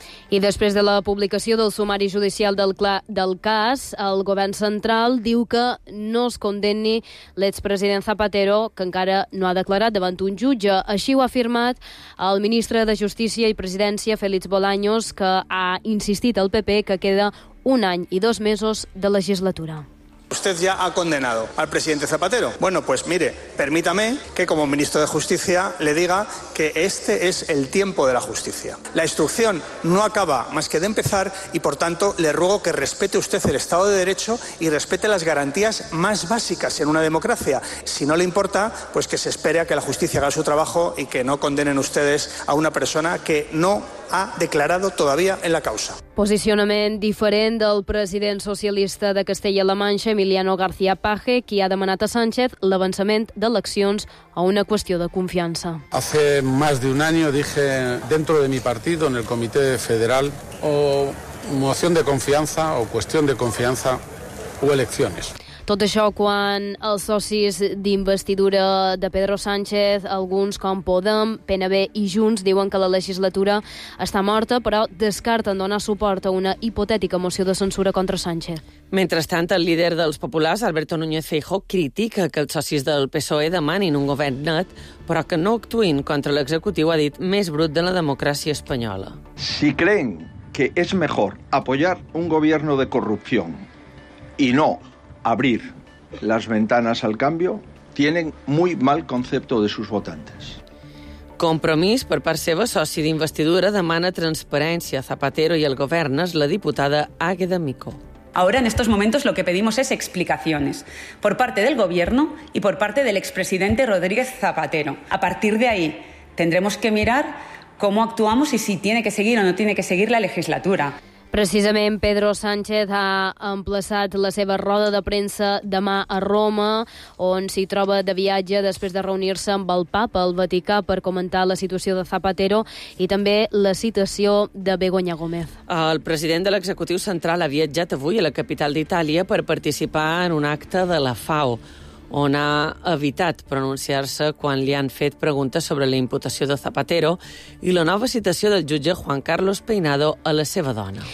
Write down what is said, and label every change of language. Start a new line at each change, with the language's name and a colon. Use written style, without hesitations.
Catalan: I després de la publicació del sumari judicial del cas, el govern central diu que no es condemni l'expresident Zapatero, que encara no ha declarat davant un jutge. Així ho ha afirmat el ministre de Justícia i Presidència, Félix Bolaños, que ha insistit al PP que queda un any i dos mesos de legislatura.
Spanish: Usted ya ha condenado al presidente Zapatero. Bueno, pues mire, permítame que como ministro de Justicia le diga que este es el tiempo de la justicia. La instrucción no acaba más que de empezar y, por tanto, le ruego que respete usted el Estado de Derecho y respete las garantías más básicas en una democracia. Si no le importa, pues que se espere a que la justicia haga su trabajo y que no condenen ustedes a una persona que no ha declarado todavía en la causa.
Catalan: Posicionament diferent del president socialista de Castella-La Manxa, Emiliano García Page, qui ha demanat a Sánchez l'avançament d'eleccions a una qüestió de confiança.
Spanish: Hace más de un año dije dentro de mi partido, en el Comité Federal, o moción de confianza o cuestión de confianza o elecciones.
Catalan: Tot això quan els socis d'investidura de Pedro Sánchez, alguns com Podem, PNB i Junts, diuen que la legislatura està morta, però descarten donar suport a una hipotètica moció de censura contra Sánchez. Mentrestant, el líder dels populars, Alberto Núñez Feijóo, critica que els socis del PSOE demanin un govern net, però que no actuïn contra l'executiu, ha dit, més brut de la democràcia espanyola.
Spanish: Si creen que és millor apoyar un gobierno de corrupció i no abrir las ventanas al cambio, tienen muy mal concepto de sus votantes.
Catalan: Compromís, per part seva, soci d'investidura, demana transparència a Zapatero i al govern, és la diputada Águeda Micó.
Spanish: Ahora, en estos momentos, lo que pedimos es explicaciones por parte del gobierno y por parte del expresidente Rodríguez Zapatero. A partir de ahí, tendremos que mirar cómo actuamos y si tiene que seguir o no tiene que seguir la legislatura.
Catalan: Precisament, Pedro Sánchez ha emplaçat la seva roda de premsa demà a Roma, on s'hi troba de viatge després de reunir-se amb el Papa al Vaticà per comentar la situació de Zapatero i també la citació de Begoña Gómez. El president de l'executiu central ha viatjat avui a la capital d'Itàlia per participar en un acte de la FAO, on ha evitat pronunciar-se quan li han fet preguntes sobre la imputació de Zapatero i la nova citació del jutge Juan Carlos Peinado a la seva dona.